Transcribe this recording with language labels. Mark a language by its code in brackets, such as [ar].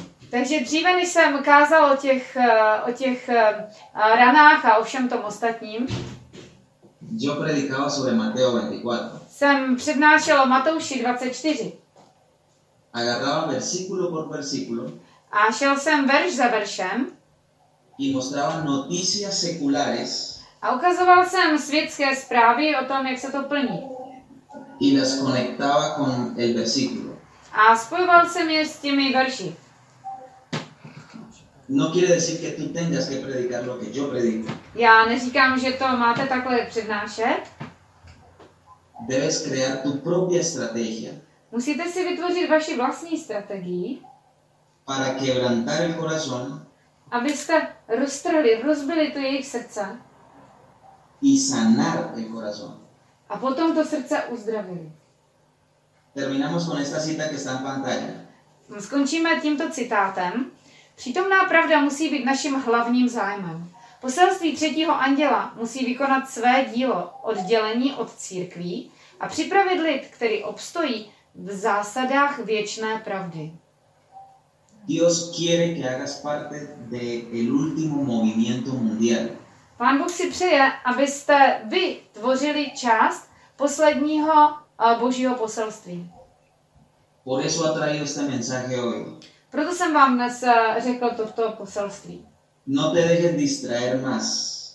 [cs] Takže dříve, než jsem kázal o těch ranách a o všem tom ostatním, [es] yo predicaba sobre Mateo 24. [cs] Jsem přednášel o Matouši 24. [es] Agarraba versículo por versículo. [cs] A šel jsem verš za veršem. [es] Y mostraba noticias seculares. [cs] A ukazoval jsem světské zprávy o tom, jak se to plní. [es] Y las conectaba con el versículo. [cs] A spojoval jsem je s těmi verši. [es] No quiere decir que tú tengas que predicar lo que yo predico. [cs] Já neříkám, že to máte takhle přednášet. [es] Debes crear tu propia estrategia. [cs] Musíte si vytvořit vaši vlastní strategii. [es] Para quebrantar el corazón. [cs] Abyste roztrhli, rozbili to jejich srdce. [es] y sanar el corazón. [cs] A potom to srdce uzdravili. [es] Terminamos con esta cita que está en pantalla. [cs] Skončíme tímto citátem. Přítomná pravda musí být naším hlavním zájmem. Poselství třetího anděla musí vykonat své dílo oddělení od církví a připravit lid, který obstojí v zásadách věčné pravdy. [es] Dios quiere que hagas parte de el último movimiento mundial. [cs] Pán Bůh si přeje, abyste vy tvořili část posledního Božího poselství. [es] Por eso ha traído este mensaje hoy. [cs] Proto jsem vám dnes řekl toto poselství. [es] No te dejes distraer más.